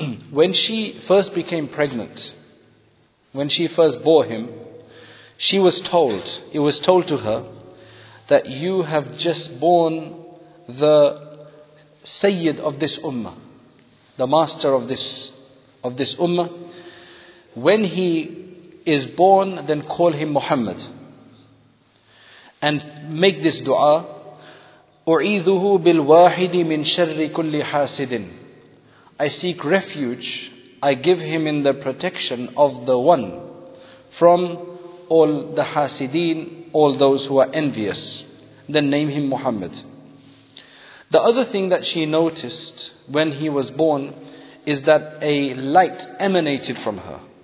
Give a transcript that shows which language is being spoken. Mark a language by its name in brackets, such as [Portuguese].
[English] When she first became pregnant, when she first bore him, she was told, it was told to her, that you have just borne the Sayyid of this Ummah, the master of this Ummah. When he is born, then call him Muhammad. And make this dua, [Arabic] أُعِيذُهُ بِالْوَاحِدِ مِنْ شَرِّ كُلِّ حَاسِدٍ. [English] I seek refuge, I give him in the protection of the One, from all the Hasideen, all those who are envious. Then name him Muhammad. The other thing that she noticed when he was born is that a light emanated from her.